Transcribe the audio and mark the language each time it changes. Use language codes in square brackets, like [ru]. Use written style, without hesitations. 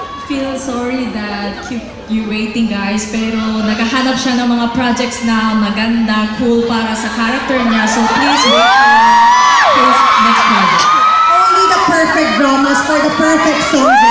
[en] Feel sorry that keep you waiting, guys. [tl] Pero nagahanap siya ng mga projects na maganda, cool para sa character niya. [en] So please wait for his next project. Only the perfect dramas for the perfect songs.